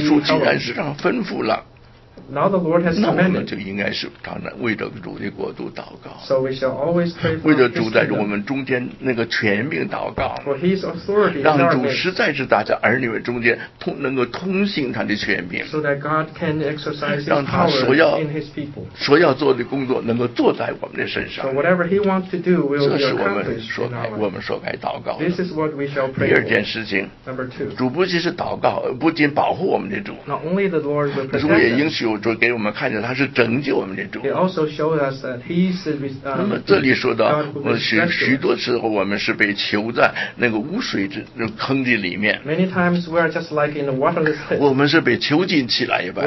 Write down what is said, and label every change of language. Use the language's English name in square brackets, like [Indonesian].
[Chinese] 那主既然是这样吩咐了。 [English] Now the Lord has commanded. [Chinese] 那我们就应该是常常为着主的国度祷告。 [English] So we shall always pray for His kingdom. [Chinese] 为着主在我们中间那个权柄祷告。 [English] For His authority in our midst. [Chinese] 让主实在是大家儿女们中间能够通行他的权柄。 [English] So that God can exercise His power in His people. [Chinese] 所要做的工作能够做在我们的身上。 [English] So whatever He wants to do will be accomplished in our midst. [Chinese] 这是我们所该祷告的。 [English] This is what we shall pray for. [Chinese] 第二件事情。 [English] Number two. [Chinese] 主不仅是祷告，不仅保护我们的主。 [English] Not only the Lord will protect us. [Chinese] 主也应许。主给我们看见他是拯救我们的主。 [English] He also showed us that he is the God who rescued us. [Chinese] 这里说的，许多时候我们是被囚在那个污水的坑的里面。 [English] Many times we are just like in a waterless pit. [Chinese] 我们是被囚禁起来一般。